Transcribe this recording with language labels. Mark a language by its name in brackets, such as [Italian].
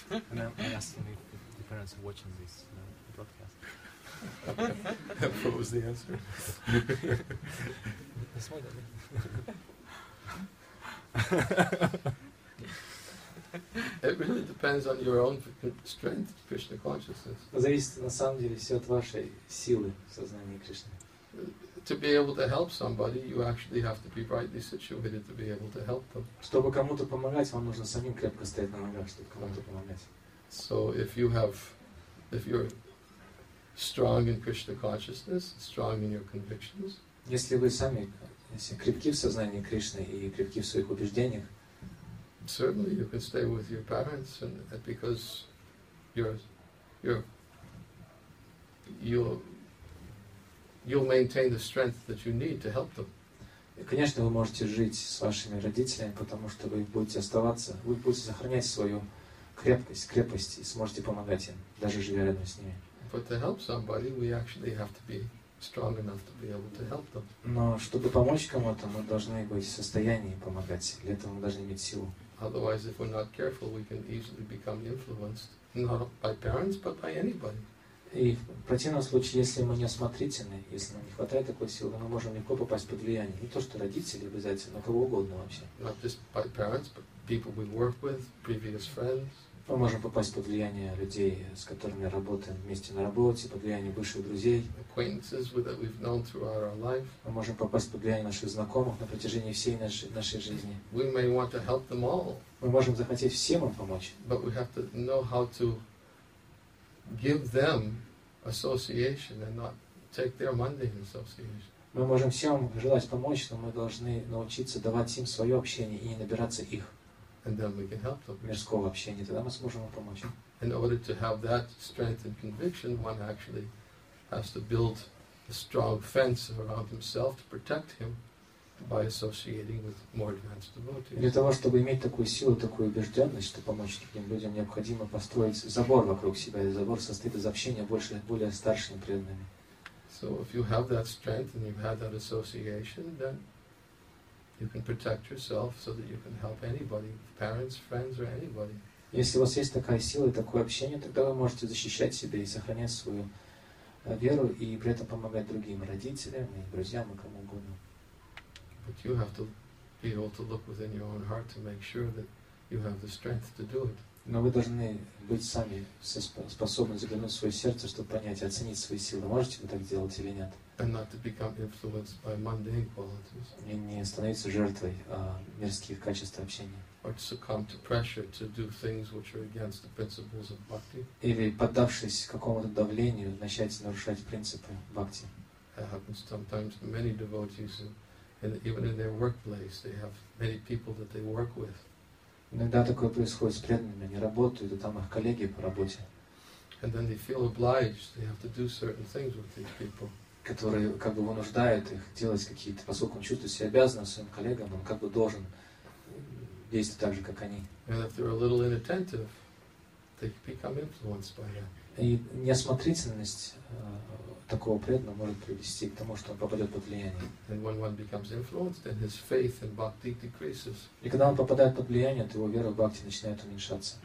[English] And I'm asking if the parents are watching this broadcast. What was the answer? It really depends on your own strength, Krishna consciousness. [Russian] Зависит на самом деле все от вашей силы сознания Кришны. [English] To be able to help somebody, you actually have to be rightly situated to be able to help them. [Russian] Чтобы кому-то помогать, вам нужно самим крепко стоять на ногах, чтобы кому-то помогать. [English] So if you're strong in Krishna consciousness, strong in your convictions. [Russian] Если вы сами крепки в сознании Кришны и крепки в своих убеждениях. [English] Certainly, you can stay with your parents, and because you'll maintain the strength that you need to help them. [Russian] Конечно, вы можете жить с вашими родителями, потому что вы будете оставаться, вы будете сохранять свою крепость, и сможете помогать им, даже живя рядом с ними. [English] But to help somebody, we actually have to be strong enough to be able to help them. [Russian] Но чтобы помочь кому-то, мы должны быть в состоянии помогать. Для этого мы должны иметь силу. [English] Otherwise, if we're not careful, we can easily become influenced, not by parents, but by anybody. [Russian] И в противном случае, если мы неосмотрительны, если нам не хватает такой силы, мы можем легко попасть под влияние. Не то, что родители обязательно, но кого угодно вообще. [English] Not just by parents, but people we work with, previous friends. [Russian] Мы можем попасть под влияние людей, с которыми работаем вместе на работе, под влияние бывших друзей. [English] Acquaintances that we've known throughout our life. [Russian] Мы можем попасть под влияние наших знакомых на протяжении всей нашей жизни. [English] We may want to help them all. [Russian] Мы можем захотеть всем им помочь. [English] But we have to know how to give them association and not take their mundane association. [Russian] Мы можем всем желать помочь, но мы должны научиться давать им свое общение и не набираться их. [English] And then we can help them. [Russian] Мирского общения, тогда мы сможем им помочь. [English] In order to have that strength and conviction, one actually has to build a strong fence around himself to protect him by associating with more advanced devotees. [Russian] Для того, чтобы иметь такую силу, такую убежденность, чтобы помочь таким людям, необходимо построить забор вокруг себя. И забор состоит из общения более старшими преданными. [English] So if you have that strength and you've had that association, then you can protect yourself so that you can help anybody, parents, friends, or anybody. [Russian] Если у вас есть такая сила и такое общение, тогда вы можете защищать себя и сохранять свою веру и при этом помогать другим родителям и друзьям и кому угодно. [English] But you have to be able to look within your own heart to make sure that you have the strength to do it. [Russian] Но вы должны быть сами способны заглянуть в свое сердце, чтобы понять и оценить свои силы. Можете вы так делать или нет? [English] And not to become influenced by mundane qualities. [Russian] И не становиться жертвой мирских качеств общения. [English] Or to succumb to pressure to do things which are against the principles of bhakti. [Russian] Или поддавшись какому-то давлению, начать нарушать принципы бхакти. [English] It happens sometimes to many devotees, and even in their workplace, they have many people that they work with. [Russian] Иногда такое происходит с преданными, они работают, и там их коллеги по работе. [English] And then they feel obliged, they have to do certain things with these people. [Russian] Которые как бы вынуждают их делать какие-то, поскольку он чувствует себя обязанным своим коллегам, он как бы должен действовать так же, как они. [English] And if they're a little inattentive, they become influenced by that. [Russian] И неосмотрительность такого преданного может привести к тому, что он попадет под влияние. [English] And when one becomes influenced, then his faith in bhakti decreases. [Russian] И когда он попадает под влияние, то его вера в бхакти начинает уменьшаться.